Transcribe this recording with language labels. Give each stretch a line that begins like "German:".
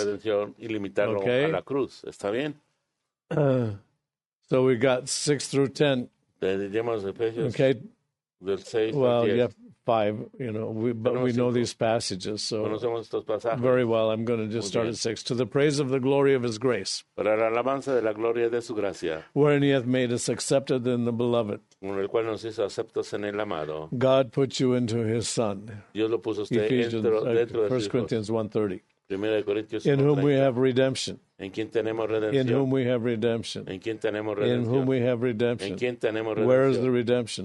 Spanish: Okay. A la cruz. ¿Está bien?
English: So we got 6-10. Okay. Well, yeah. Five, you know, we know these passages, so very well. I'm going to just start at 6. To the praise of the glory of his grace,
Spanish: para la alabanza de la gloria de su gracia,
English: wherein he hath made us accepted in the beloved,
Spanish: con el cual nos hizo aceptos en el amado.
English: God put you into his son.
Spanish: Dios lo puso usted dentro de
English: 1 Corinthians 1:30.
Spanish: Primera de Corintios,
English: in whom we have redemption.
Spanish: En quien tenemos redención.
English: In whom we have redemption.
Spanish: En quien tenemos redención.
English: In whom we have redemption.
Spanish: En quien tenemos redención.
English: Where is the redemption?